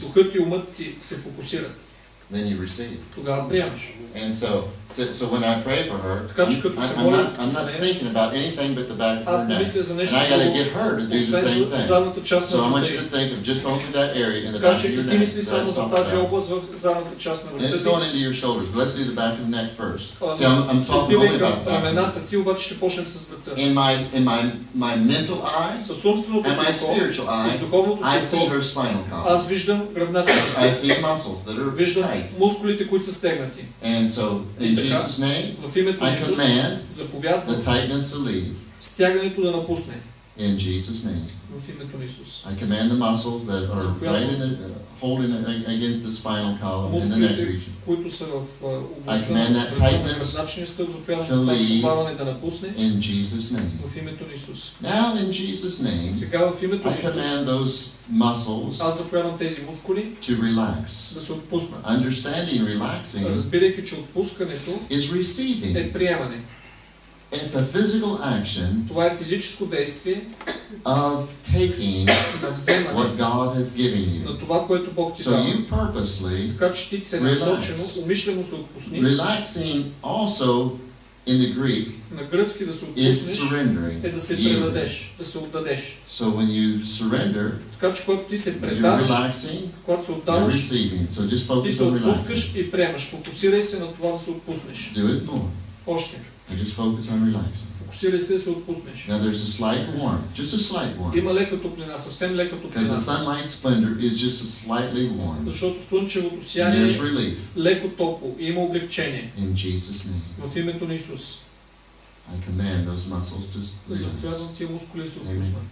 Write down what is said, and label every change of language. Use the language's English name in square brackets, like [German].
[Bulgarian] Духът и умът ти се фокусират. [English] Then you receive. [Bulgarian] Тогава приемаш. [English] And so when I pray for her, [Bulgarian] така, че, като се моля, [English] I'm not thinking about anything but the back of her neck. [Bulgarian] Аз не мисля за нещо. [English] And I got to get her to do the same thing. [Bulgarian] Задната част на врата. [English] So I want you to think of just only that area in the back of your neck. [Bulgarian] Ти мисли само за тази област в задната част на врата. [English] And it's going into your shoulders. But let's do the back of the neck first. See, I'm talking only about the back. [Bulgarian] Рамената, ти обаче ще почнем с врата. [English] In my mental eye, [Bulgarian] със собственото си око, [English] and my spiritual eye, I see her spinal column. [Bulgarian] Аз виждам гръбначната част. [English] I see muscles that are tight. [Bulgarian] Мускулите, които са стегнати. [English] And so, in Jesus' name, [Bulgarian] в името на Исус, заповядвам стягането да напусне. [English] In Jesus' name. [Bulgarian] В името на Исус. [English] I command the muscles that are right in the holding it against the spinal column in the neck region. [Bulgarian] Които са в областта на заповядване да напусне. [English] In Jesus' name. [Bulgarian] В името на Исус. [English] Now in Jesus' name. [Bulgarian] Сега в името на Исус. [English] I command those muscles. [Bulgarian] Аз заповядвам тези мускули. [English] To relax. [Bulgarian] Да се отпуснат. [English] Understanding relaxing. [Bulgarian] Разбирайки, че отпускането [English] is receiving. [Bulgarian] Е приемане. [English] It's a physical action. [Bulgarian] Това е физическо действие [English] of taking [Bulgarian] на вземане [English] what God has given you. [Bulgarian] На това, което Бог ти дава. [English] So you purposely relaxing also in the Greek [Bulgarian] на гръцки да се отпуснеш, [English] is surrendering. [Bulgarian] Е да се предадеш, да се отдадеш. [English] So when you surrender, [Bulgarian] така че когато ти се предадеш, когато се отдадеш, [English] receiving. So just focus [Bulgarian] ти се отпускаш и приемаш. Фокусирай се на това да се отпуснеш. [English] Do it more. [Bulgarian] Още. [English] I just focus on relaxing. [Bulgarian] Фокусирай се, се отпуснеш. [English] Now there's a slight warmth, just a slight warmth. [Bulgarian] Има лека топлина, съвсем лека топлина. [English] Because the sunlight splendor is just a slightly warm. [Bulgarian] Защото слънчевото сияние е леко топло и има облегчение. [English] In Jesus' name. [Bulgarian] В името на Исус. [English] I command those muscles to relax. [Bulgarian] Заповядвам тия мускули се отпуснат.